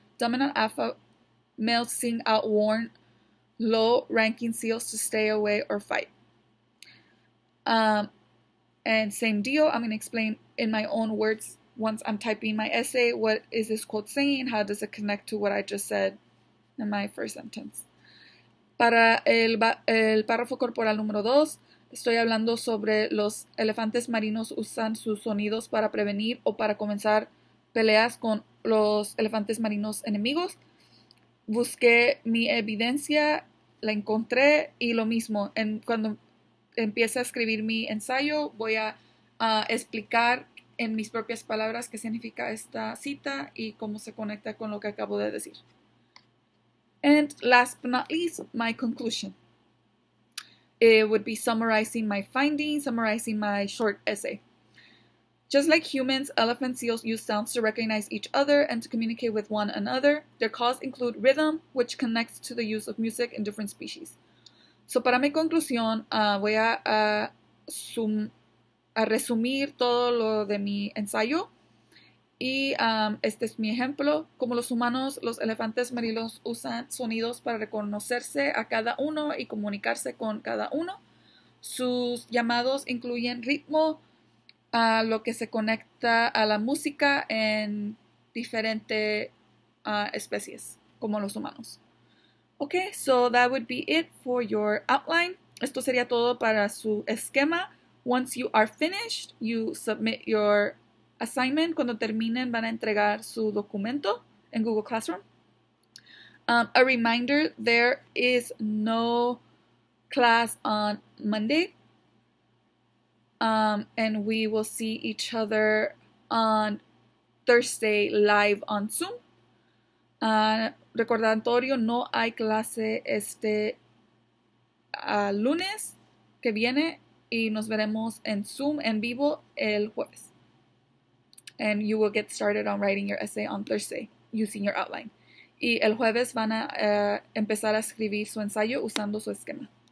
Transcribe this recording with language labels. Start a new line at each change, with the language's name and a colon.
English: Dominant alpha males sing out warn low-ranking seals to stay away or fight. And same deal, I'm going to explain in my own words once I'm typing my essay. What is this quote saying? How does it connect to what I just said in my first sentence?
Spanish: Para el párrafo corporal número dos, estoy hablando sobre los elefantes marinos usan sus sonidos para prevenir o para comenzar peleas con los elefantes marinos enemigos. Busqué mi evidencia, la encontré y lo mismo. Cuando empiece a escribir mi ensayo, voy a explicar en mis propias palabras qué significa esta cita y cómo se conecta con lo que acabo de decir.
English: And last but not least, my conclusion. It would be summarizing my findings, summarizing my short essay. Just like humans, elephant seals use sounds to recognize each other and to communicate with one another. Their calls include rhythm, which connects to the use of music in different species.
Spanish: So, para mi conclusión, voy a resumir todo lo de mi ensayo. Y este es mi ejemplo. Como los humanos, los elefantes marinos usan sonidos para reconocerse a cada uno y comunicarse con cada uno. Sus llamados incluyen ritmo, lo que se conecta a la música en diferentes especies, como los humanos.
English: Ok, so that would be it for your outline.
Spanish: Esto sería todo para su esquema.
English: Once you are finished, you submit your assignment.
Spanish: Cuando terminen, van a entregar su documento en Google Classroom.
English: A reminder, there is no class on Monday. And we will see each other on Thursday live on Zoom.
Spanish: Recordatorio, no hay clase este lunes que viene y nos veremos en Zoom en vivo el jueves.
English: And you will get started on writing your essay on Thursday using your outline.
Spanish: Y el jueves van a empezar a escribir su ensayo usando su esquema.